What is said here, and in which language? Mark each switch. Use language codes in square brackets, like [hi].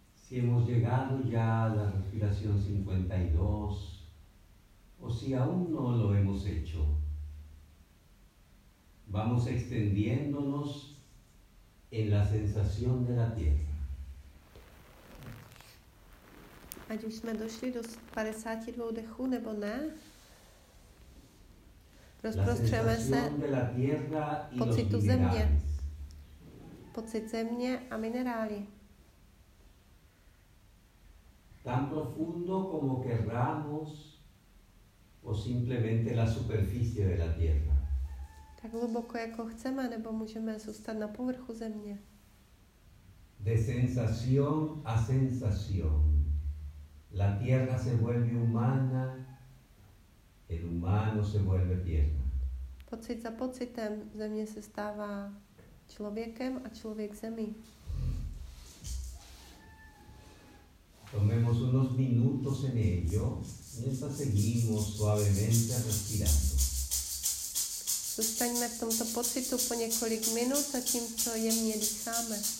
[es] hemos llegado ya a la respiración 52, o si aún no lo hemos hecho, vamos extendiéndonos en la sensación de la tierra. [cs] Ať už jsme došli do 52 dechů nebo ne, rozprostřeme se pocitu země, pocit země a minerály. [es] Tan profundo como querramos o simplemente la superficie de la tierra. [cs] Tak hluboko jako chceme, nebo můžeme zůstat na povrchu země. [es] De sensación a sensación. La tierra se vuelve humana, el humano se vuelve tierra. [cs] Pocit za pocitem, země se stává člověkem a člověk zemí. [es] Tomemos unos minutos en ello, mientras seguimos suavemente respirando. [cs] Zůstaňme v tomto pocitu po několik minut, zatímco jemně dýcháme.